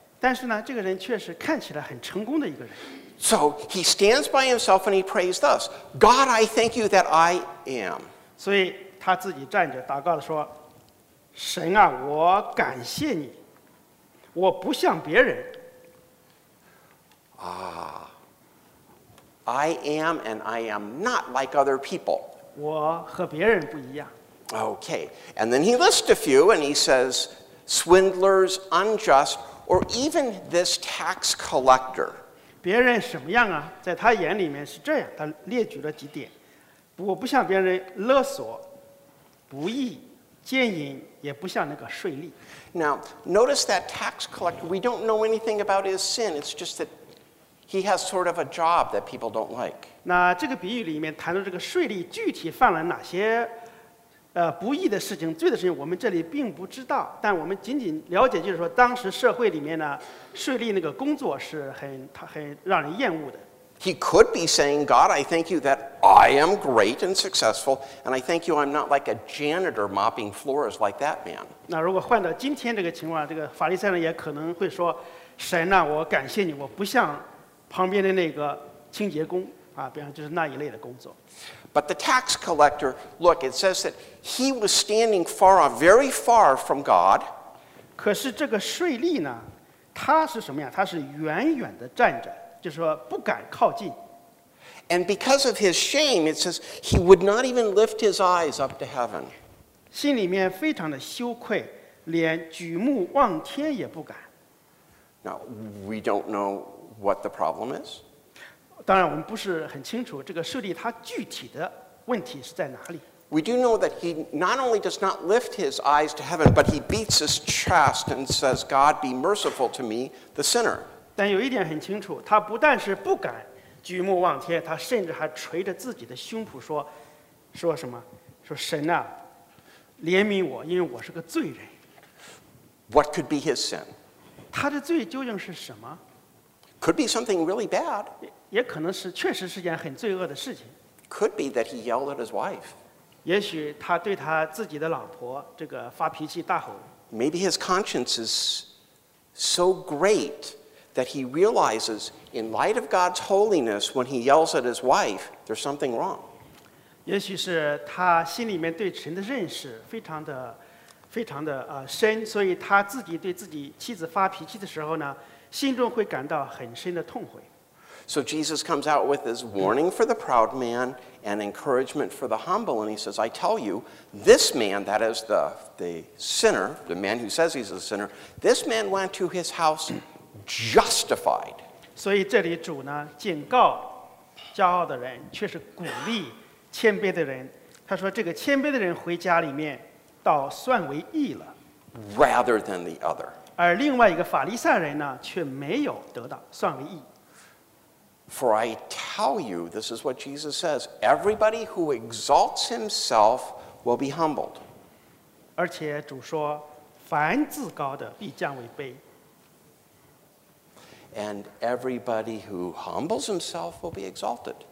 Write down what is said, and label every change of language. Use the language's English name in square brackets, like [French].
[Chinese] 但是呢，这个人确实看起来很成功的一个人。 [English] So he stands by himself and he prays thus, God, I thank you that I am. [Chinese] 所以他自己站着祷告说，神啊，我感谢你，我不像别人。 [English] Ah, I am and I am not like other people. [Chinese] 我和别人不一样。 [English] Okay, and then he lists a few and he says, swindlers, unjust, or even this tax collector. [Chinese] 别人什么样啊？在他眼里面是这样，他列举了几点。我不像别人勒索、不义、奸淫，也不像那个税吏。 [English] Now, notice that tax collector, we don't know anything about his sin, it's just that he has sort of a job that people don't like. [Chinese] 那这个比喻里面谈到这个税吏具体犯了哪些不义的事情、罪的事情，我们这里并不知道。但我们仅仅了解，就是说当时社会里面呢，税吏那个工作是很让人厌恶的。 [English] He could be saying, God, I thank you that I am great and successful, and I thank you I'm not like a janitor mopping floors like that man. [Chinese] 那如果换到今天这个情况，这个法利赛人也可能会说，神啊，我感谢你，我不像旁边的那个清洁工啊，比方就是那一类的工作。 [English] But the tax collector, look, it says that he was standing far off, very far from God. [Chinese] 可是这个税吏呢，他是什么呀？他是远远的站着，就是说不敢靠近。 [English] And because of his shame, it says he would not even lift his eyes up to heaven. [Chinese] 心里面非常的羞愧，连举目望天也不敢。 [English] Now we don't know what the problem is. [Chinese] 当然我们不是很清楚这个税吏他具体的问题是在哪里。 [English] We do know that he not only does not lift his eyes to heaven, but he beats his chest and says, God, be merciful to me, the sinner. [Chinese] 但有一点很清楚，他不但是不敢举目望天，他甚至还捶着自己的胸脯说什么？说神啊，怜悯我，因为我是个罪人。 [English] What could be his sin? [Chinese] 他的罪究竟是什么？ [English] Could be something really bad. [Chinese] 也可能是确实是件很罪恶的事情。 [English] Could be that he yelled at his wife. [Chinese] 也许他对他自己的老婆这个发脾气大吼。 [English] Maybe his conscience is so great that he realizes, in light of God's holiness, when he yells at his wife, there's something wrong. [Chinese] 也许是他心里面对神的认识非常的深，所以他自己对自己妻子发脾气的时候呢，心中会感到很深的痛悔。 [English] So Jesus comes out with this warning for the proud man and encouragement for the humble, and he says, I tell you, this man, that is the sinner, the man who says he's a sinner, this man went to his house justified. [Chinese] 所以这里主呢，警告骄傲的人，却是鼓励谦卑的人。他说，这个谦卑的人回家里面，倒算为义了。 [English] Rather than the other. [Chinese] 而另外一个法利赛人呢，却没有得到算为义。 [English] For I tell you, this is what Jesus says: everybody who exalts himself will be humbled. [Chinese] 而且主说，凡自高的必降为卑。 [English] And everybody who humbles himself will be exalted.